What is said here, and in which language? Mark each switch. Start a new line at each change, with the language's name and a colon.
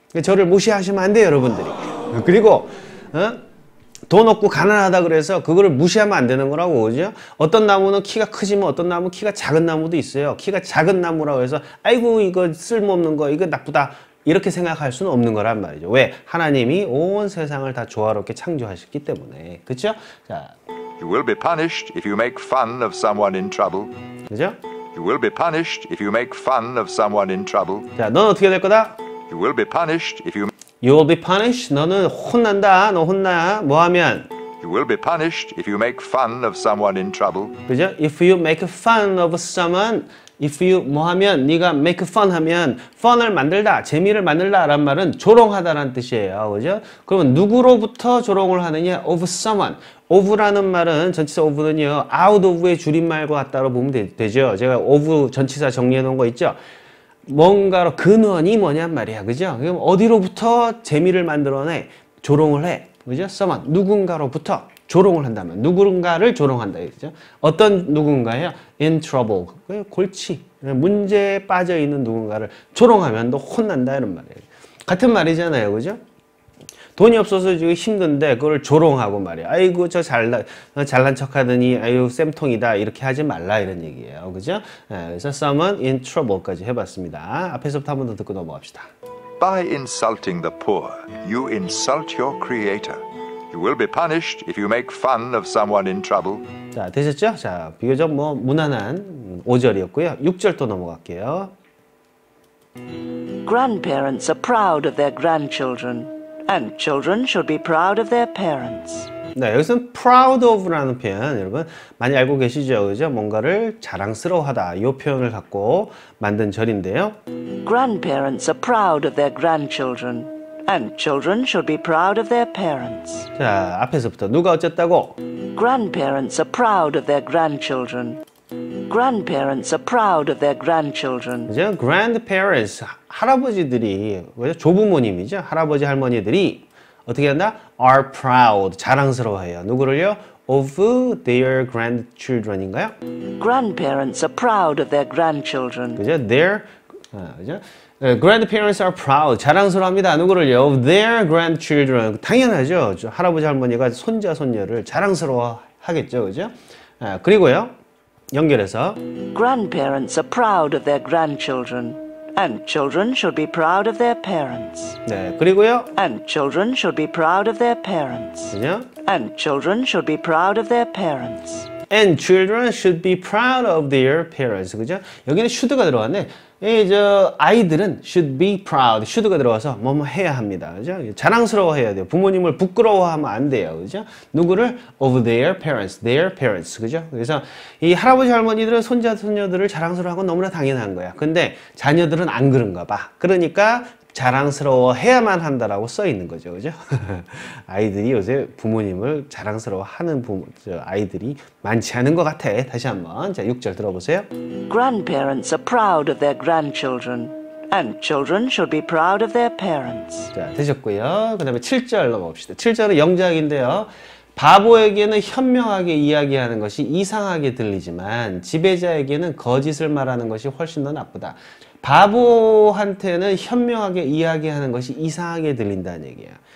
Korean: 저를 무시하시면 안 돼요, 여러분들이. 그리고 돈 없고 가난하다 그래서 그거를 무시하면 안 되는 거라고, 그죠? 어떤 나무는 키가 크지만 어떤 나무 키가 작은 나무도 있어요. 키가 작은 나무라고 해서 아이고 이거 쓸모없는 거 이거 나쁘다 이렇게 생각할 수는 없는 거란 말이죠. 왜? 하나님이 온 세상을 다 조화롭게 창조하셨기 때문에, 그죠? 자,
English: You will be punished if you make fun of someone in trouble.
Korean: 그죠?
English: You will be punished if you make fun of someone in trouble.
Korean: 자, 넌 어떻게 될 거다?
English: You will be punished if you You will be punished.
Korean: 너는 혼난다. 너 혼나. 뭐 하면?
English: You will be punished if you make fun of someone in trouble.
Korean: 그죠?
English: If you make fun of someone, if you
Korean: 뭐 하면? 네가 make fun 하면 fun을 만들다, 재미를 만들다라는 말은 조롱하다라는 뜻이에요. 그죠? 그러면 누구로부터 조롱을 하느냐?
English: Of someone.
Korean: Of라는 말은 전치사 of는요 out of의 줄임말과 같다로 보면 되죠. 제가 of 전치사 정리해 놓은 거 있죠? 뭔가로 근원이 뭐냔 말이야, 그죠? 그럼 어디로부터 재미를 만들어내, 조롱을 해, 그죠? 써만 누군가로부터 조롱을 한다면 누군가를 조롱한다, 그죠? 어떤 누군가예요?
English: In trouble,
Korean: 골치, 문제에 빠져 있는 누군가를 조롱하면 너 혼난다 이런 말이에요. 같은 말이잖아요, 그죠? 돈이 없어서 지금 힘든데 그걸 조롱하고 말이야. 아이고 저 잘난 척하더니 아이고 쌤통이다 이렇게 하지 말라 이런 얘기예요. 그죠? 그래서
English: someone in trouble
Korean: 까지 해봤습니다. 앞에서부터 한번 더 듣고 넘어갑시다.
English: By insulting the poor, you insult your creator. You will be punished if you make fun of someone in trouble.
Korean: 자, 되셨죠? 자, 비교적 뭐 무난한 5절이었고요. 6절도 넘어갈게요.
English: Grandparents are proud of their grandchildren. And children should be proud of their parents.
Korean: 네, 여기서는 proud of라는 표현 여러분 많이 알고 계시죠, 그죠? 뭔가를 자랑스러워하다 이 표현을 갖고 만든 절인데요.
English: Grandparents are proud of their grandchildren. And children should be proud of their parents.
Korean: 자, 앞에서부터 누가 어쨌다고?
English: Grandparents are proud of their grandchildren. Grandparents are proud of their grandchildren.
Korean: 그죠? Grandparents, 할아버지들이, 그죠? 조부모님이죠? 할아버지, 할머니들이 어떻게 한다?
English: Are proud,
Korean: 자랑스러워해요. 누구를요?
English: Of their grandchildren인가요? Grandparents are proud of their grandchildren.
Korean: 그죠? Their, 그죠?
English: Grandparents are proud,
Korean: 자랑스러워합니다. 누구를요?
English: Of their grandchildren.
Korean: 당연하죠? 할아버지, 할머니가 손자, 손녀를 자랑스러워하겠죠, 그죠? 그리고요. 연결해서
English: Grandparents are proud of their grandchildren and children should be proud of their parents.
Korean: 네, 그리고요.
English: And children should be proud of their parents. 그죠? And children should be proud of their parents. And children should be proud of their parents.
Korean: 그죠? 여기는 should가 들어왔네. 이저 아이들은
English: should be proud,
Korean: should가 들어가서 뭐뭐 해야 합니다. 그죠? 자랑스러워해야 돼요. 부모님을 부끄러워하면 안 돼요. 그죠? 누구를?
English: of their parents,
Korean: 그죠? 그래서 이 할아버지 할머니들은 손자 손녀들을 자랑스러워하고 너무나 당연한 거야. 근데 자녀들은 안 그런가 봐. 그러니까 자랑스러워해야만 한다라고 써 있는 거죠. 그죠? 아이들이 요새 부모님을 자랑스러워하는 아이들이 많지 않은 것 같아. 다시 한번 자 6절 들어보세요.
English: Grandparents are proud of their grandchildren and children should be proud of their parents.
Korean: 자 되셨고요. 그 다음에 7절 넘어봅시다. 7절은 영작인데요. 바보에게는 현명하게 이야기하는 것이 이상하게 들리지만 지배자에게는 거짓을 말하는 것이 훨씬 더 나쁘다. 바보한테는 현명하게 이야기하는 것이 이상하게 들린다는 얘기야.